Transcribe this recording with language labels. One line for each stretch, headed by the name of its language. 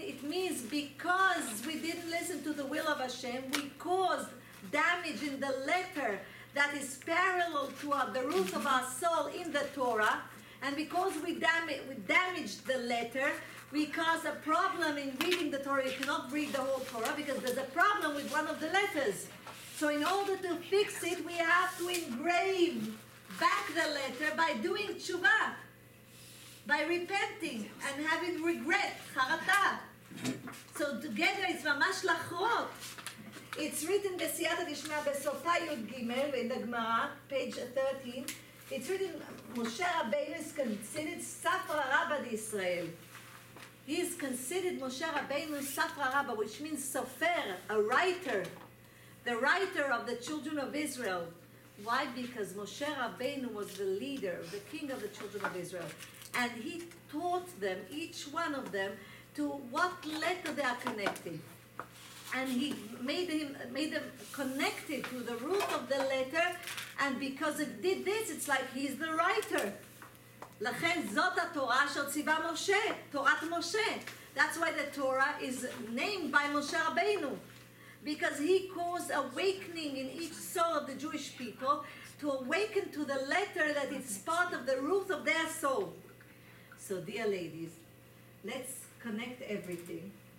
English: It means because we didn't listen to the will of Hashem, we caused damage in the letter that is parallel to the root of our soul in the Torah, and because we damaged the letter, we caused a problem in reading the Torah. You cannot read the whole Torah because there's a problem with one of the letters. So in order to fix it, we have to engrave back the letter by doing tshuva, by repenting and having regret, charata. So together it's
Hebrew: ממש לחרות.
English: It's written
Hebrew: בסייעתא דשמיא בסופה יוד גימל
English: in the Gemara, page 13. It's written, Moshe Rabbeinu is considered Safra Rabba di Israel. He is considered Moshe Rabbeinu Safra Rabba, which means Sofer, a writer. The writer of the children of Israel. Why? Because Moshe Rabbeinu was the leader, the king of the children of Israel. And he taught them, each one of them, to what letter they are connected. And he made them connected to the root of the letter. And because it did this, it's like he's the writer.
Hebrew: לכן זאת התורה שציווה משה, תורת משה.
English: That's why the Torah is named by Moshe Rabbeinu. Because he caused awakening in each soul of the Jewish people to awaken to the letter that is part of the root of their soul. So dear ladies, let's connect everything.